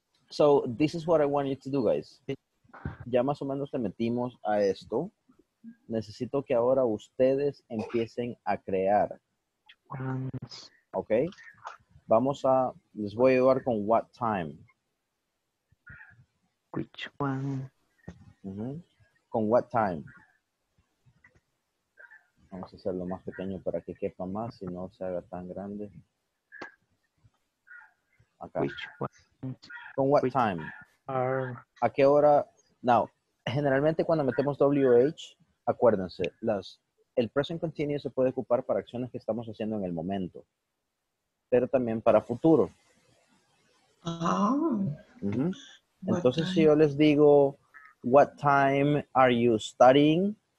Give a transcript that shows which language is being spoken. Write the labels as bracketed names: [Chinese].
[English] So, this is what I want you to do, guys. [Spanish] Ya más o menos te metimos a esto. Necesito que ahora ustedes empiecen a crear. Okay? Les voy a ayudar con what time. [English] Which one? [Spanish] Uh-huh. Con what time. Vamos a hacerlo más pequeño para que quepa más y no se haga tan grande. Acá. [English] Which one? [Spanish] ¿Con what time? ¿A qué hora? Now, generalmente cuando metemos WH, acuérdense, el present continuous se puede ocupar para acciones que estamos haciendo en el momento, pero también para futuro. Oh. Uh-huh. Entonces, si yo les digo, [English] what time are you studying?